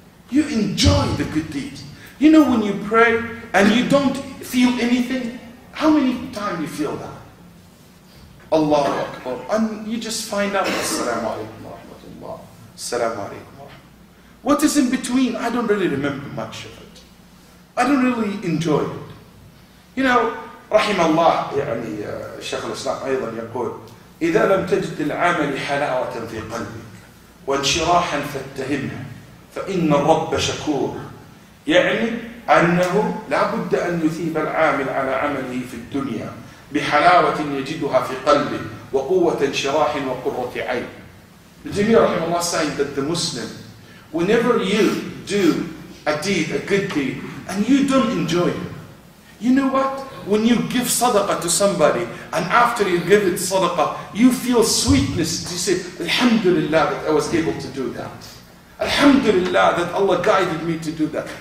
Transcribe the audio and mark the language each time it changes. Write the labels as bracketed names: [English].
[English] You enjoy the good deeds. You know when you pray and you don't feel anything? How many times you feel that? Allahu Akbar. And you just find out, As-salamu alaykum wa rahmatullah. As-salamu alaykum wa rahmatullah. What is in between? I don't really remember much of it. I don't really enjoy it. You know, [Arabic] rahimallah, يعني Shaykh al-Islam أيضا يقول, إذا لم تجد العمل حلاوة في قلبك وانشراحا فاتهمها فإن الرب شكور. يعني أنه لا بد أن يثيب العامل على عمله في الدنيا بحلاوة يجدها في قلبه وقوة انشراح وقرة عين. الجميع رحمه الله [English] saying that the Muslim, whenever you do a deed, a good deed, and you don't enjoy it, you know what? When you give sadaqah to somebody, and after you give it sadaqah, you feel sweetness. You say, Alhamdulillah that I was able to do that. Alhamdulillah that Allah guided me to do that.